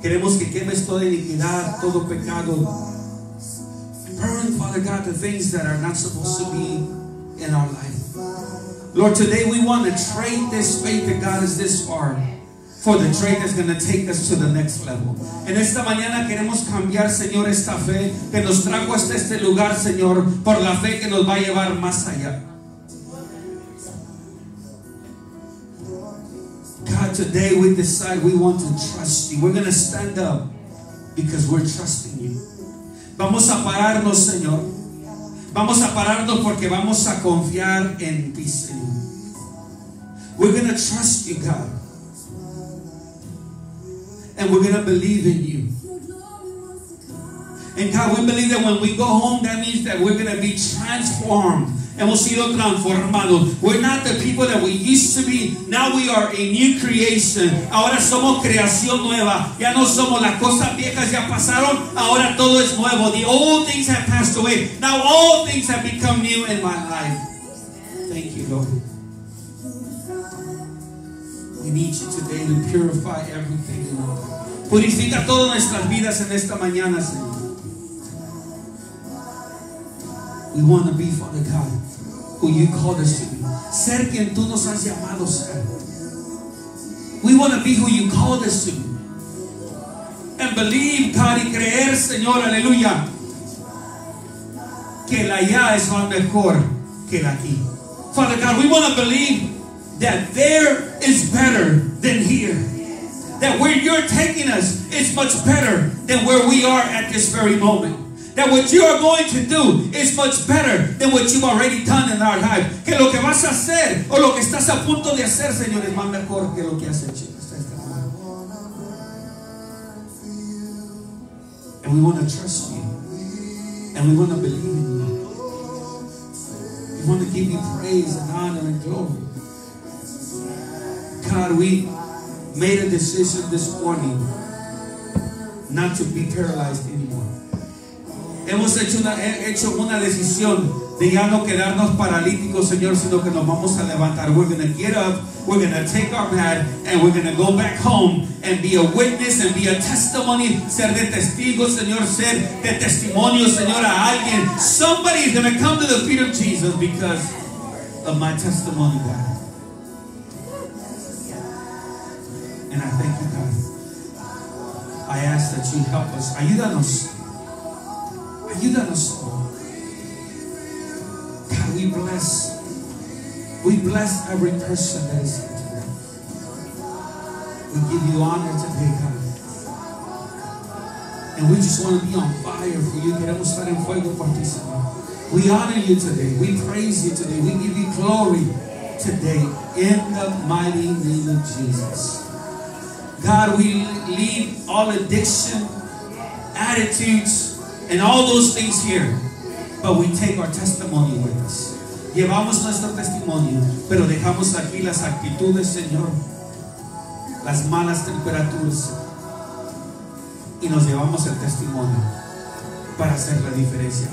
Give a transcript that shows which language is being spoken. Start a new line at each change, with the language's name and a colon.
Spanish: Queremos que quemes toda iniquidad, todo pecado.
English: Burn, Father God, the things that are not supposed to be in our life. Lord, today we want to trade this faith that God is this far for the trade that's going to take us to the next level.
Spanish: En esta mañana queremos cambiar, Señor, esta fe que nos trajo hasta este lugar, Señor, por la fe que nos va a llevar más allá.
English: God, today we decide we want to trust you. We're going to stand up because we're trusting you.
Spanish: Vamos a pararnos, Señor. Vamos a pararnos porque vamos a confiar en ti, Señor.
English: We're going to trust you, God. And we're going to believe in you. And God, we believe that when we go home, that means that we're going to be transformed.
Spanish: Hemos sido transformados.
English: We're not the people that we used to be. Now we are a new creation.
Spanish: Ahora somos creación nueva. Ya no somos las cosas viejas, ya pasaron. Ahora todo es nuevo.
English: The old things have passed away. Now all things have become new in my life. Thank you, Lord. We need you today to purify everything in our life.
Spanish: Purifica todas nuestras vidas en esta mañana, Señor.
English: We want to be, Father God, who you called us to be.
Spanish: Ser quien tú nos has llamado ser.
English: We want to be who you called us to be. And believe, God,
Spanish: y creer, Señor, aleluya, que la allá es más mejor que la aquí.
English: Father God, we want to believe that there is better than here. That where you're taking us is much better than where we are at this very moment. That what you are going to do is much better than what you've already done in our life.
Spanish: Que lo que vas a hacer o lo que estás a punto de hacer, Señor, es más mejor que lo que has hecho.
English: And we want to trust you. And we want to believe in you. We want to give you praise and honor and glory. God, we made a decision this morning not to be paralyzed anymore.
Spanish: Hemos hecho una decisión de ya no quedarnos paralíticos, Señor, sino que nos vamos a levantar.
English: We're going to get up, we're going to take our mat, and we're going to go back home and be a witness and be a testimony.
Spanish: Ser de testigo, Señor, ser de testimonio, Señor, a alguien.
English: Somebody is going to come to the feet of Jesus because of my testimony, God. And I thank you, God. I ask that you help us.
Spanish: Ayúdanos. Ayúdanos,
English: Lord. God, we bless. We bless every person that is here today. We give you honor today, God. And we just want to be on fire for you.
Spanish: Queremos estar en fuego por ti, Señor.
English: We honor you today. We praise you today. We give you glory today in the mighty name of Jesus. God, we leave all addiction, attitudes, and all those things here. But we take our testimony with us.
Spanish: Llevamos nuestro testimonio, pero dejamos aquí las actitudes, Señor. Las malas temperaturas. Y nos llevamos el testimonio para hacer la diferencia.